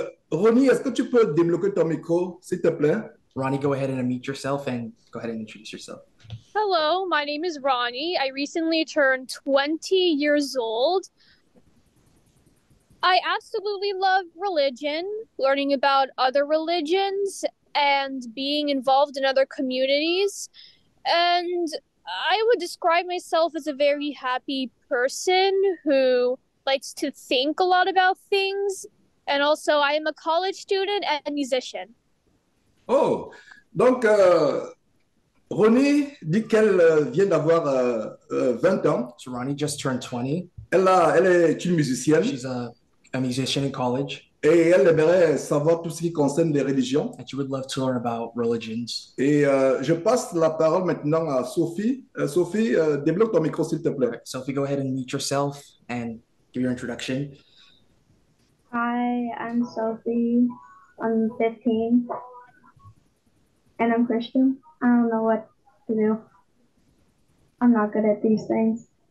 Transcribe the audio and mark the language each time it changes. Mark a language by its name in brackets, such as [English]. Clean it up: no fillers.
[French] Ronnie, est-ce que tu peux débloquer ton micro, s'il te plaît? [English] Ronnie, go ahead and unmute yourself and go ahead and introduce yourself. Hello, my name is Ronnie. I recently turned 20 years old. I absolutely love religion, learning about other religions and being involved in other communities. And I would describe myself as a very happy person who likes to think a lot about things. And also, I am a college student and a musician. [French] Oh, donc Ronnie dit qu'elle vient d'avoir 20 ans. [English] So Ronnie just turned 20. [French] Elle est une [English] She's [French] musicienne [English] a musician in college. [French] et elle aimerait savoir tout ce qui concerne les religions. [English] And she would love to learn about religions. [French] Et je passe la parole maintenant à Sophie. Sophie, débloque ton micro, s'il te plaît. [English] Right, Sophie, go ahead and mute yourself and give your introduction. Hi, I'm Sophie. I'm 15. And I'm Christian. I don't know what to do. I'm not good at these things.